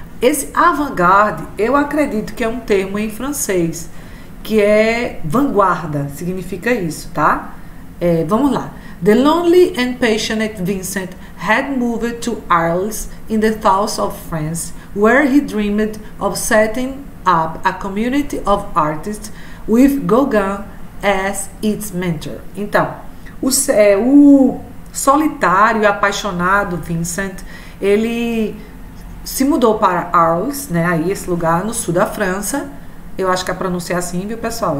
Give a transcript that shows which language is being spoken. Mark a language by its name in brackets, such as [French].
[Portuguese] Esse avant-garde, eu acredito que é um termo em francês, que é vanguarda, significa isso, tá? Vamos lá. [English] The lonely and patient Vincent had moved to Arles in the south of France, where he dreamed of setting up a community of artists with Gauguin as its mentor. [Portuguese] Então, o solitário e apaixonado Vincent, ele se mudou para Arles, né? Aí esse lugar no sul da França. Eu acho que a pronúncia é assim, viu, pessoal?